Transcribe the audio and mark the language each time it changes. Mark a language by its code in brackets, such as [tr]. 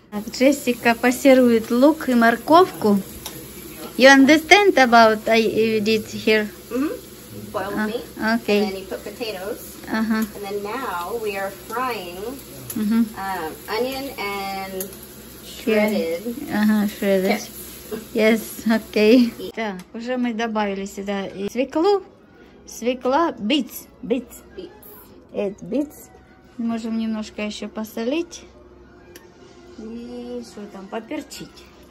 [ru] Джессика пассирует лук и морковку. [en] You understand about what you did here? Mm-hmm. Boiled meat. Okay. And then you put potatoes. Uh-huh. And then now we are frying onion and shredded. Yes. Yes, okay. [ru] Так, уже мы добавили сюда и свеклу. Свекла, beets. Это beets. Можем немножко еще посолить. И что там, поперчить.